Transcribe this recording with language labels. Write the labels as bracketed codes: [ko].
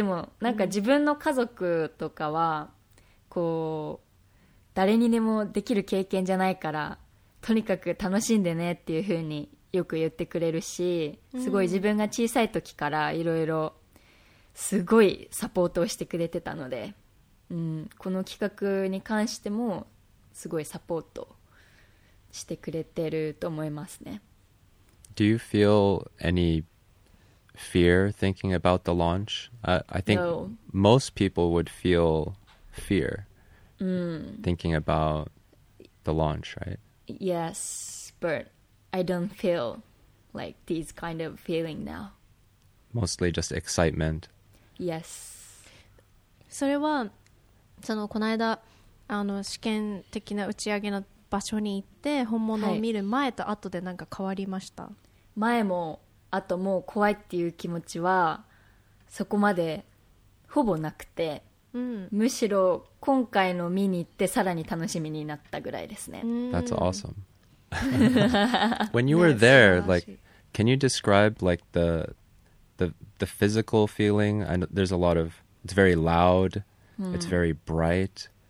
[ja] でも、なんか自分の家族とかは、こう誰にでもできる経験じゃないから、とにかく楽しんでねっていう風によく言ってくれるし、すごい自分が小さい時からいろいろすごいサポートをしてくれてたので、この企画に関してもすごいサポートしてくれてると思いますね。 [en] Do you feel any fear thinking about the launch? I think most people would feelfear thinking about the launch, right? Yes, but I don't feel like these kind of feeling now. Mostly just excitement. Yes. [ja] それはそのこの間試験的な打ち上げの場所に行って本物を見る前と後で何か変わりました？はい、前も後も怖いっていう気持ちはそこまでほぼなくて、むしろ今回の見に行ってさらに楽しみになったぐらいですね。 [en] That's awesome. When you were there, like, can you describe like the physical feeling? I know there's a lot of, it's very loud, it's very bright,